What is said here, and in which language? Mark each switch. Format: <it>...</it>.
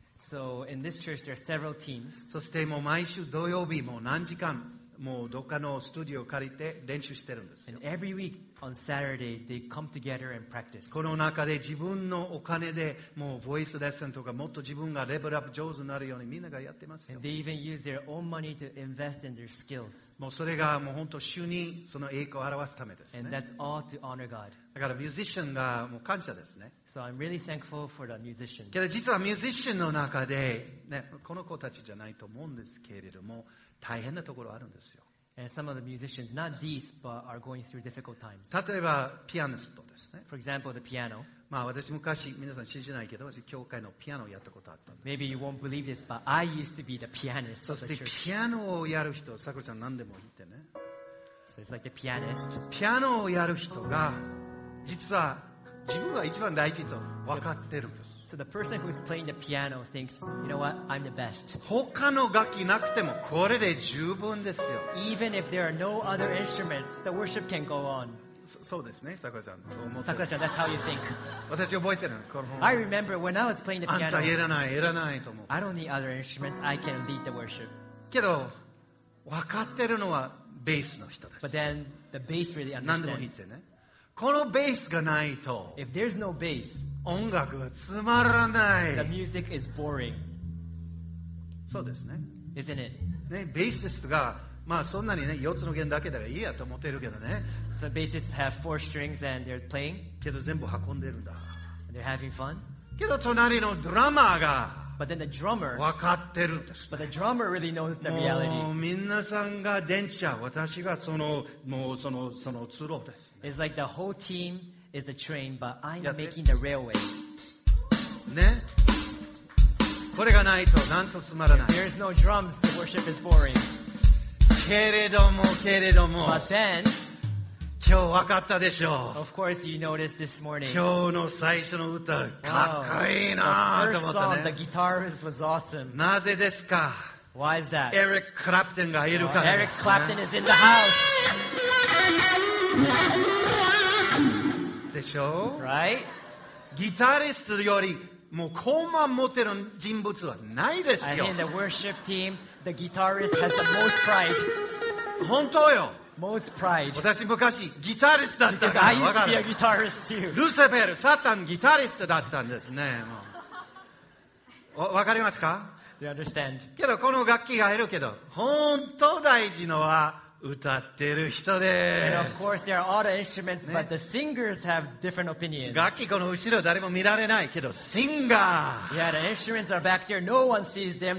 <en>So in this church there are several teams.</en> <ja>そしてもう毎週土曜日もう何時間もうどっかのスタジオを借りて練習してるんですよ。</ja> <en>And every week on Saturday they come together and practice.</en> <ja>この中で自分のお金でもうボイスレッスンとかもっと自分がレベルアップ上手になるようにみんながやってますよ。</ja> <en>And they even use their own money to invest in their skills.</en> <ja>もうそれがもう本当主にその栄光を表すためですね。</ja> <en>And that's all to honor God.</en> <ja>だからミュージシャンがもう感謝ですね。</ja> <en>So I'm really thankful for the musicians.</en> <ja>けど実はミュージシャンの中で、ね、この子たちじゃないと思うんですけれども大変なところあるんですよ。</ja> <en>And some of the musicians, not these, but are going through difficult times.</en> <ja>例えばピアニストですね。</ja> <en>For example, the piano.</en> <ja>まあ私昔皆さん信じないけど私教会のピアノをやったことあったんです。</ja> <en>Maybe you won't believe this, but I used to be the pianist.</en> <ja>そしてピアノをやる人、さくらちゃん何でも言ってね。</ja> <en>So it's like the pianist.</en> <ja>ピアノをやる人が実は自分が一番大事と分かってるんです。</ja> <en>So the person who's playing the piano thinks, you know what, I'm the best.</en> <ja>他の楽器なくてもこれで十分ですよ。</ja> <en>Even if there are no other instruments, the worship can go on.</en> <ja>そうですね、さくらちゃん。</ja> <en>さくらちゃん、that's how you think.</en> <ja>私覚えてるの、この</ja> <en>本。I remember when I was playing the piano.</en> <ja>あんたいらない、いらないと思う。</ja> <en>I don't need other instruments. I can lead the worship.</en> <ja>けど、分かってるのはベースの人です。</ja> <en>But then the bass really understands.</en> <ja>何でも弾いてね。このベースがないと。</ja> <en>If there's no bass.</en> <ja>音楽がつまらない。</ja> <en>The music is boring.</en> <ja>そうですね。</ja> <en>Isn't it?</en> <ja>ね、ベーシストが、まあそんなにね、4つの弦だけだからいいやと思ってるけどね。</ja> <en>So bassists have four strings and they're playing.</en> <ja>けど全部運んでるんだ。</ja> <en>They're having fun.</en> <ja>けど隣のドラマーが、</ja> <en>But then the drummer,</en> <ja>分かってるんです、ね。</ja> <en>But the drummer really knows the reality.</en> <ja>もう皆さんが電車、私がその、もうその通路です、ね。</ja> <en>It's like the whole team,is the train, but I'm making the railway.</en> <ja>ね。これがないとなんとつまらない。</ja> <en>If there's no drums, the worship is boring.</en> <ja>けれども。</ja> <en>But then,</en> <ja>今日わかったでしょう。</ja> <en>Of course, you noticed this morning.</en> <ja>今日の最初の歌、かっこいいなと思ったね。</ja> <en>First song, the guitarist was awesome.</en> <ja>なぜですか？</ja> <en>Why is that?</en> <ja>Eric Clapton がいるから</ja> <en>です。Eric Clapton is in the house.</en> <ja>でしょ、</ja> <en>right?</en> <ja>ギタリストよりもうコマ持ってる人物はないですよ。</ja> <en>I mean the worship team, the guitarist has the most pride.</en> <ja>本当よ。</ja> <en>Most pride.</en> <ja>私昔ギタリストだったから。</ja> <en>Because I used to be a guitarist too.</en> <ja>ルセフェル、サタンギタリストだったんですね。わかりますか？</ja> <en>Do you understand?</en> <ja>けどこの楽器がいるけど、本当大事のは。歌ってる人で。</ja> <en>And of course, there are all the instruments,、ね、but the singers have different opinions.</en> <ja>楽器この後ろ誰も見られないけど、シンガー。</ja> <en>Yeah, the instruments are back there. No one sees them.</en>